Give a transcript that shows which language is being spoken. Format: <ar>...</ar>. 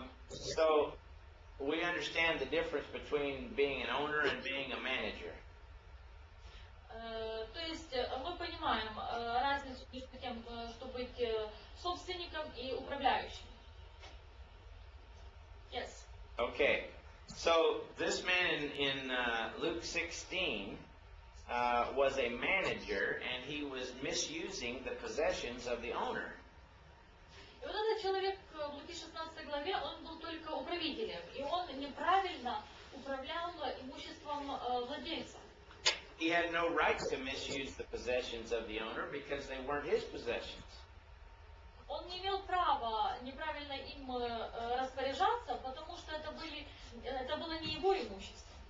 <en>So we understand the difference between being an owner and being a manager.</en> <ru>То есть мы понимаем разницу между тем, что быть собственником и управляющим.</ru> <en>Yes. Okay. So this man in Luke 16 was a manager, and he was misusing the possessions of the owner.</en> <ru>И вот этот человек в Луки 16 главе, он был только управителем, и он неправильно управлял имуществом владельца.</ru> <en>He had no right to misuse the possessions of the owner because they weren't his possessions.</en> <ru>Он не имел права неправильно им распоряжаться, потому что это было не его имущество.</ru>